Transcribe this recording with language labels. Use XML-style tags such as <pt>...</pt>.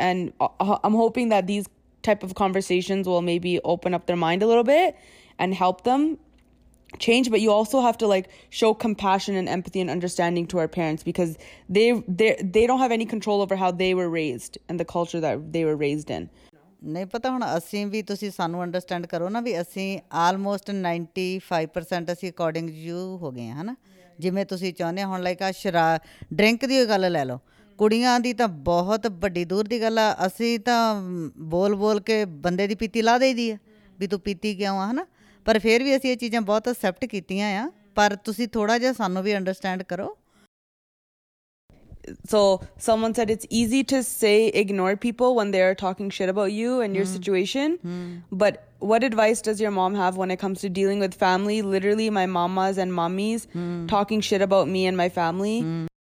<en>And I'm hoping that these type of conversations will maybe open up their mind a little bit and help them change. But you also have to like show compassion and empathy and understanding to our parents, because they don't have any control over how they were raised and the culture that they were raised in.</en> <pa>ਨਹੀਂ ਪਤਾ ਹੁਣ ਅਸੀਂ ਵੀ, ਤੁਸੀਂ ਸਾਨੂੰ understand ਕਰੋ ਨਾ ਵੀ ਅਸੀਂ almost 95% ਅਸੀਂ</pa> <en>according you</en> <pa>ਹੋ ਗਏ ਹਾਂ, ਹੈ ਨਾ, ਜਿਵੇਂ ਤੁਸੀਂ ਚਾਹੁੰਦੇ ਹੋ। ਹੁਣ ਲਾਈਕ ਆ ਸ਼ਰਾਬ ਡਰਿੰਕ ਦੀ ਗੱਲ ਲੈ ਲਓ, ਕੁੜੀਆਂ ਦੀ ਤਾਂ ਬਹੁਤ ਵੱਡੀ ਦੂਰ ਦੀ ਗੱਲ ਆ, ਅਸੀਂ ਤਾਂ ਬੋਲ ਬੋਲ ਕੇ ਬੰਦੇ ਦੀ ਪੀਤੀ ਲਾ ਦੇਈਦੀ ਆ ਵੀ ਤੂੰ ਪੀਤੀ ਕਿਉਂ ਆ, ਹੈ ਨਾ, ਪਰ ਫਿਰ ਵੀ ਅਸੀਂ ਇਹ ਚੀਜ਼ਾਂ ਬਹੁਤ ਅਕਸੈਪਟ ਕੀਤੀਆਂ ਆ। ਪਰ ਤੁਸੀਂ ਥੋੜ੍ਹਾ ਜਿਹਾ ਸਾਨੂੰ ਵੀ ਅੰਡਰਸਟੈਂਡ ਕਰੋ।</pa> <en>So someone said it's easy to say ignore people when they are talking shit about you and your situation. But what advice does your mom have when it comes to dealing with family? Literally my mamas and mommies talking shit about me and my family.</en>